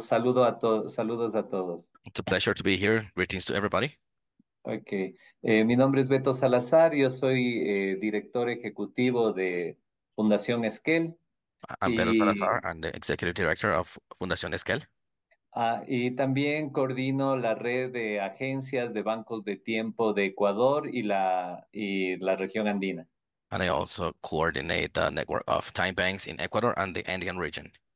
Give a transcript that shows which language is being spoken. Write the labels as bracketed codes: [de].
[es] Saludo a saludos a todos. [en] It's a pleasure to be here. Greetings to everybody. [es] Okay. Mi nombre es Beto Salazar. Yo soy director ejecutivo de Fundación Esquel. [en] I'm Pedro Salazar, I'm the executive director of Fundación Esquel. [es] Y también coordino la red de agencias de bancos de tiempo de Ecuador y la región andina. [en] And I also coordinate the network of time banks in Ecuador and the Andean region.